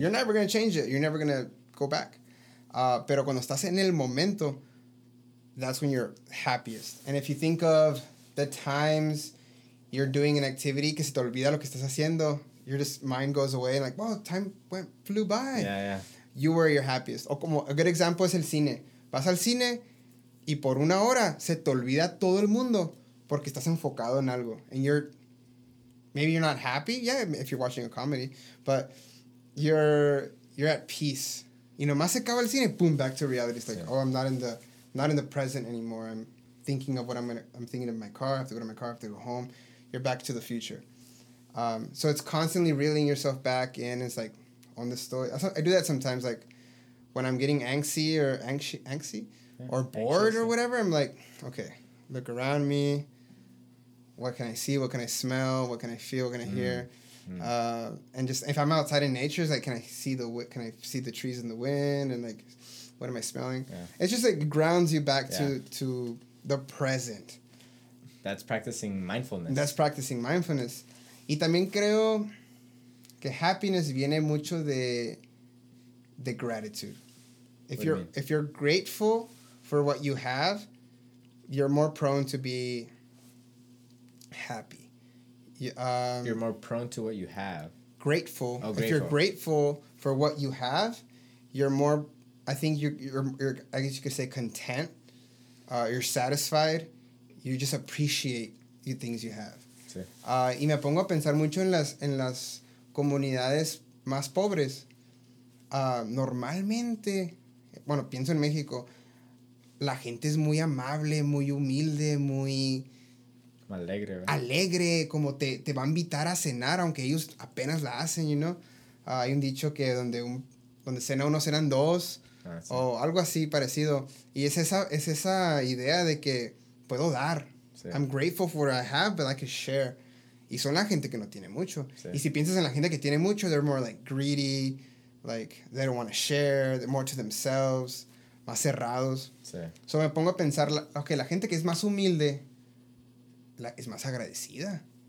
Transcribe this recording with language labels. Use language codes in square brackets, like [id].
[en] You're never going to change it. You're never going to go back. [es] Pero cuando estás en el momento, [en] that's when you're happiest. And if you think of the times you're doing an activity, [es] que se te olvida lo que estás haciendo, [en] your just mind goes away, and like, wow, time went flew by. Yeah, yeah. You were your happiest. O como, a good example [es] es el cine. Vas al cine, y por una hora, se te olvida todo el mundo, porque estás enfocado en algo. [en] And you're, maybe you're not happy, yeah, if you're watching a comedy, but you're at peace. [es] Y nomás se acaba el cine, [en] boom, back to reality. It's like, yeah. Oh, I'm not in the present anymore. I'm thinking of my car, I have to go to my car, I have to go home. You're back to the future. So it's constantly reeling yourself back in. It's like, on the story. I do that sometimes, like, when I'm getting angsty or bored anxious, or whatever, I'm like, okay, look around me. What can I see? What can I smell? What can I feel? What can I hear? Mm. And just, if I'm outside in nature, it's like, can I see the trees in the wind? And, like, what am I smelling? Yeah. It's just, like, grounds you back to the present. That's practicing mindfulness. [es] Y también creo que happiness viene mucho de gratitude. [en] If you're grateful for what you have, you're more prone to be happy. You're more prone to what you have. Grateful. Oh, grateful. If you're grateful for what you have, you're more, I think you're I guess you could say content. You're satisfied. You just appreciate the things you have. [es] Y me pongo a pensar mucho en las comunidades más pobres. Normalmente, bueno, pienso en México, la gente es muy amable, muy humilde, muy alegre, ¿verdad? Alegre, como te va a invitar a cenar, aunque ellos apenas la hacen, [en] you know. [es] Hay un dicho que donde cena uno, cenan dos, o algo así parecido. Y es esa idea de que puedo dar. [en] I'm grateful for what I have, but I can share. [es] Y son la gente que no tiene mucho. Sí. Y si piensas en la gente que tiene mucho, [en] they're more like greedy, like they don't want to share, they're more to themselves, [es] más cerrados. Sí. So me pongo a pensar, okay, la gente que es más humilde, es más agradecida.